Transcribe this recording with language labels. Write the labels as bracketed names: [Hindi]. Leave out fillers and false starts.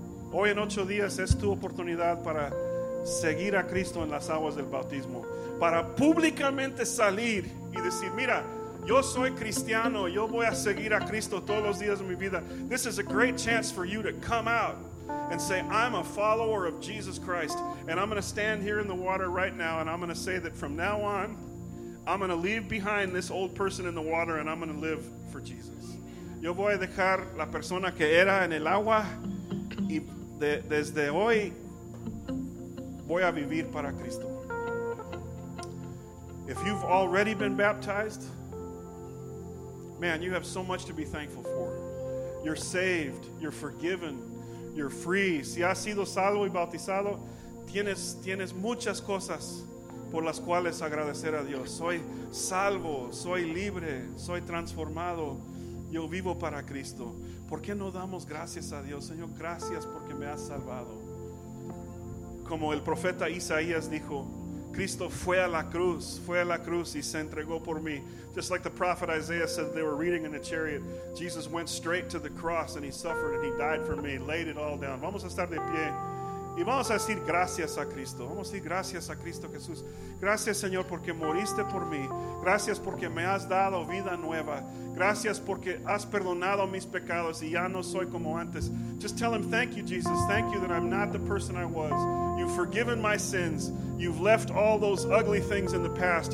[Spanish] Hoy en ocho días es tu oportunidad para seguir a Cristo en las aguas del bautismo. Para públicamente salir y decir, mira, yo soy cristiano. Yo voy a seguir a Cristo todos los días de mi vida. [English] This is a great chance for you to come out and say, I'm a follower of Jesus Christ. And I'm going to stand here in the water right now. And I'm going to say that from now on, I'm going to leave behind this old person in the water. And I'm going to live for Jesus. [Spanish] Yo voy a dejar la persona que era en el agua. Y desde hoy, voy a vivir para Cristo. [English] If you've already been baptized, man, you have so much to be thankful for. You're saved. You're forgiven. You're free. [Spanish] Si has sido salvo y bautizado, tienes muchas cosas por las cuales agradecer a Dios. Soy salvo, soy libre, soy transformado. Yo vivo para Cristo. ¿Por qué no damos gracias a Dios? Señor, gracias porque me has salvado. Como el profeta Isaías dijo, Cristo fue a la cruz y se entregó por mí. [English] Just like the prophet Isaiah said, they were reading in a chariot. Jesus went straight to the cross and he suffered and he died for me, laid it all down. [Spanish] Vamos a estar de pie y vamos a decir gracias a Cristo. Vamos a decir gracias a Cristo Jesús. Gracias, Señor, porque moriste por mí. Gracias porque me has dado vida nueva. Gracias porque has perdonado mis pecados y ya no soy como antes. [English] Just tell him, thank you, Jesus. Thank you that I'm not the person I was. You've forgiven my sins. You've left all those ugly things in the past.